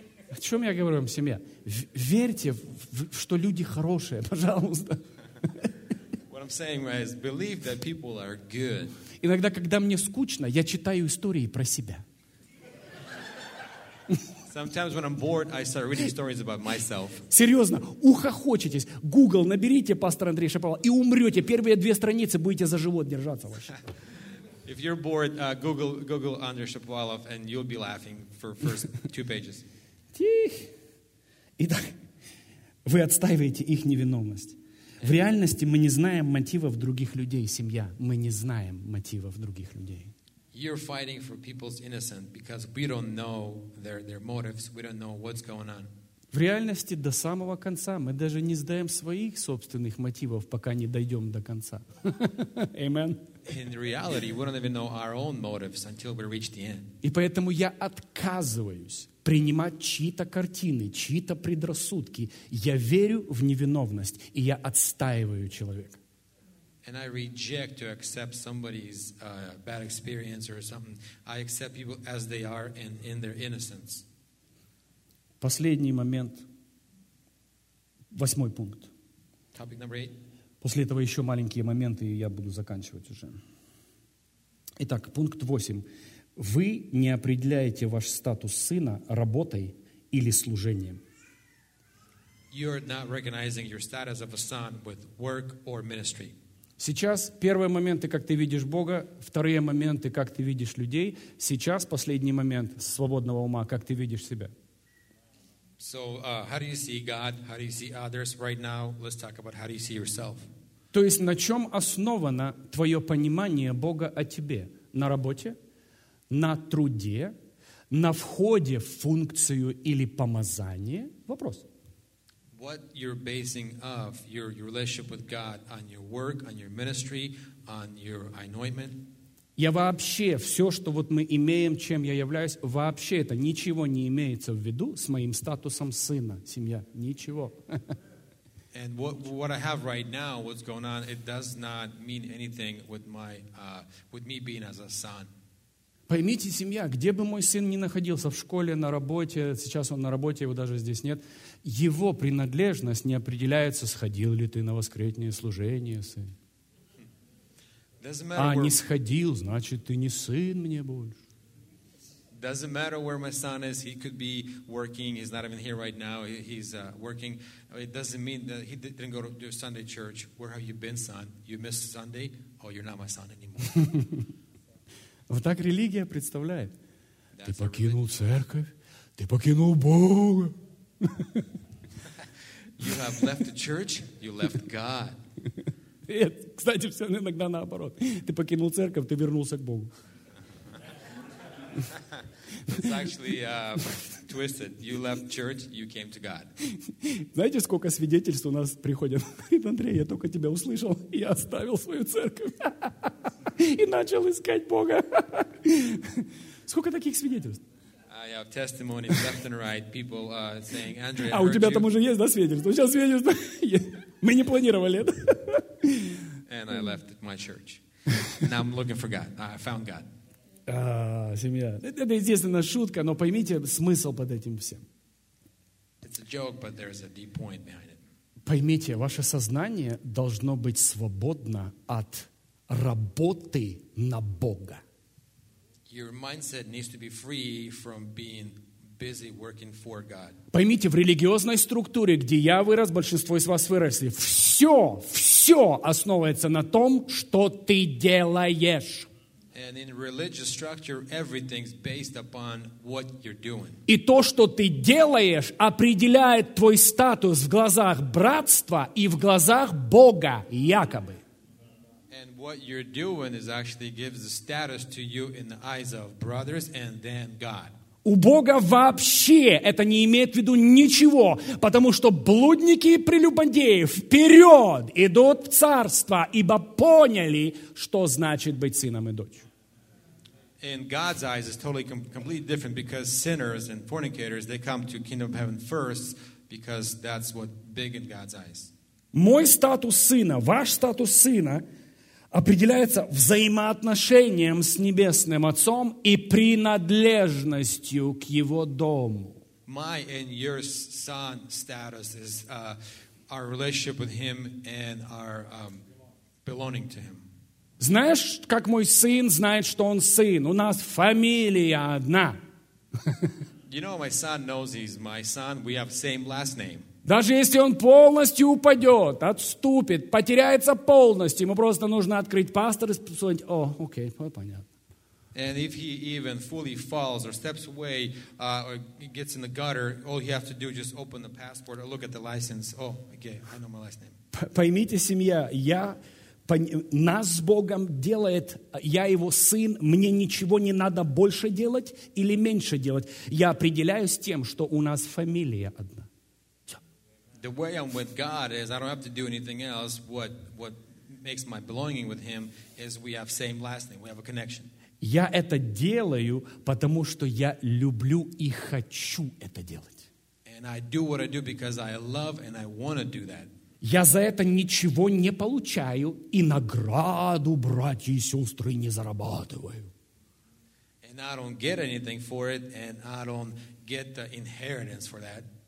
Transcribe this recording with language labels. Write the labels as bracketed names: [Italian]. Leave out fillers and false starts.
[Russian] О чем я говорю вам, семья? Верьте, что люди хорошие, пожалуйста. [English] What I'm saying is, believe that people are good. [Russian] Иногда, когда мне скучно, я читаю истории про себя. [English] Sometimes when I'm bored, I start reading stories about myself. [Russian] Серьезно, ухохочетесь. Google, наберите пастор Андрей Шаповал и умрете. Первые две страницы будете за живот держаться вообще. [English] If you're bored, Google Andrei Shapovalov and you'll be laughing for first two pages. [Russian] Тихо. Итак, вы отстаиваете их невиновность. В реальности мы не знаем мотивов других людей, семья. Мы не знаем мотивов других людей. [English] You're fighting for people's innocence because we don't know their motives. We don't know what's going on. [Russian] В реальности до самого конца мы даже не знаем своих собственных мотивов, пока не дойдем до конца. [English] Amen. In reality, we don't even know our own motives until we reach the end. [Russian] И поэтому я отказываюсь принимать чьи-то картины, чьи-то предрассудки. Я верю в невиновность, и я отстаиваю человека. [English] And I reject to accept somebody's bad experience or something. I accept people as they are and in their innocence. [Russian] Последний момент. Восьмой пункт. [English] Topic number eight. [Russian] После этого еще маленькие моменты, и я буду заканчивать уже. Итак, пункт восемь. Вы не определяете ваш статус сына работой или служением. [English] You're not recognizing your status of a son with work or ministry. [Russian] Сейчас первые моменты, как ты видишь Бога, вторые моменты, как ты видишь людей. Сейчас последний момент свободного ума, как ты видишь себя. [English] So, how do you see God? How do you see others right now? Let's talk about how do you see yourself. [Russian] То есть, на чем основано твое понимание Бога о тебе? На работе? На труде? На входе в функцию или помазание? Вопрос. [English] What you're basing of your relationship with God on your work, on your ministry, on your anointment? [Russian] Я вообще все, что вот мы имеем, чем я являюсь, вообще это ничего не имеется в виду с моим статусом сына, семья, ничего. [English] And what I have right now, what's going on, it does not mean anything with my with me being as a son. [Russian] Поймите, семья, где бы мой сын ни находился, в школе, на работе, сейчас он на работе, его даже здесь нет, его принадлежность не определяется, сходил ли ты на воскресное служение, сын. А не сходил, значит, ты не сын мне больше. [English] Doesn't matter where my son is. He could be working. He's not even here right now. He's working. It doesn't mean that he didn't go to do Sunday church. Where have you been, son? You missed Sunday? Oh, you're not my son anymore. [Russian] Вот так религия представляет. Ты покинул церковь. Ты покинул Бога. [English] You have left the church. You left God. [Russian] Нет, кстати, все иногда наоборот. Ты покинул церковь, ты вернулся к Богу. [English] It's actually twisted. You left church, you came to God. [Russian] Знаете, сколько свидетельств у нас приходят? Говорит, Андрей, я только тебя услышал, я оставил свою церковь и начал искать Бога. Сколько таких свидетельств? [English] I have testimonies left and right. People saying, Andrei, [Russian] а у тебя там уже есть, да, свидетельство? Сейчас свидетельство. Мы не планировали это. [English] And I left my church. Now I'm looking for God. I found God. [Russian] Семья. Это, естественно, шутка, но поймите смысл под этим всем. [English] It's a joke, but there's a deep point behind it. [Russian] Поймите, ваше сознание должно быть свободно от работы на Бога. [English] Your mindset needs to be free from being busy working for God. [Russian] Поймите, в религиозной структуре, где я вырос, большинство из вас выросли, все, все основывается на том, что ты делаешь. [English] And in religious structure, everything's based upon what you're doing. [Russian] И то, что ты делаешь, определяет твой статус в глазах братства и в глазах Бога, якобы. [English] And what you're doing is actually gives the status to you in the eyes of brothers and then God. [Russian] У Бога вообще это не имеет в виду ничего, потому что блудники и прелюбодеи вперед идут в царство, ибо поняли, что значит быть сыном и дочерью. [English] In God's eyes, it's totally completely different because sinners and fornicators, they come to the kingdom of heaven first because that's what big in God's eyes. [Russian] Мой статус сына, ваш статус сына определяется взаимоотношением с Небесным Отцом и принадлежностью к Его дому. [English] My and your son status is our relationship with Him and our belonging to Him. [Russian] Знаешь, как мой сын знает, что он сын? У нас фамилия одна. [English] You know, my son knows he's my son. We have same last name. [Russian] Даже если он полностью упадет, отступит, потеряется полностью, ему просто нужно открыть пастор и спросить, о, окей, понятно. [English] And if he even fully falls or steps away, or gets in the gutter, all he has to do is just open the passport or look at the license. Oh, okay, I know my last name. [Russian] Поймите, семья, я... Нас с Богом делает, я его сын, мне ничего не надо больше делать или меньше делать. Я определяюсь тем, что у нас фамилия одна. [English] The way I'm with God is I don't have to do anything else. What makes my belonging with Him is we have same last name, we have a connection. [Russian] Я это делаю, потому что я люблю и хочу это делать. [English] And I do what I do because I love and I want to do that. [Russian] Я за это ничего не получаю и награду, братья и сестры, не зарабатываю. [English] And I don't get anything for it, and I don't get the inheritance for that.